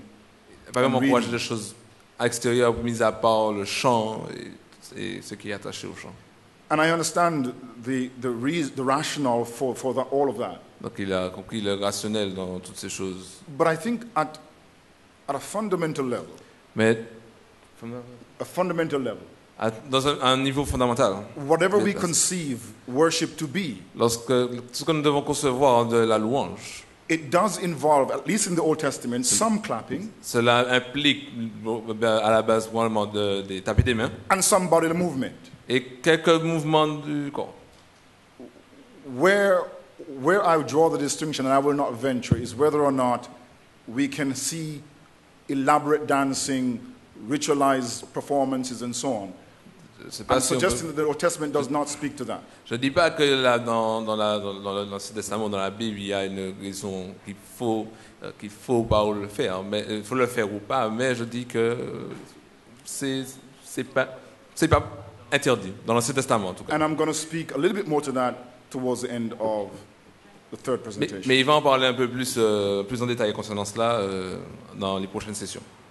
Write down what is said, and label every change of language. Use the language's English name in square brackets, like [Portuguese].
[French] Il n'a pas vraiment encouragé les choses extérieures, mis à part le chant et ce qui est attaché au chant. [English] And I understand the rationale for the, all of that. [French] Donc il a compris le rationnel dans toutes ces choses. [English] But I think at a fundamental level. [French] Mais [English] a fundamental level. [French] Dans un niveau fondamental. [English] Whatever we conceive worship to be. [French] Lorsque ce que nous devons concevoir de la louange. [English] It does involve, at least in the Old Testament, some clapping. [French] Cela implique à la base probablement de taper des mains. [English] And some bodily movement. [French] Et quelques mouvements du corps. [English] Where I draw the distinction, and I will not venture, is whether or not we can see elaborate dancing, ritualized performances, and so on. I'm suggesting that the Old Testament does not speak to that. [French] Je dis pas que là dans le Testament, dans la Bible, il y a une raison qu'il faut pas le faire, mais faut le faire ou pas. Mais je dis que c'est pas interdit dans l'Ancien Testament en tout cas. [English] And I'm going to speak a little bit more to that towards the end of. [French] Mais il va en parler un peu plus, plus en détail concernant cela dans les prochaines sessions.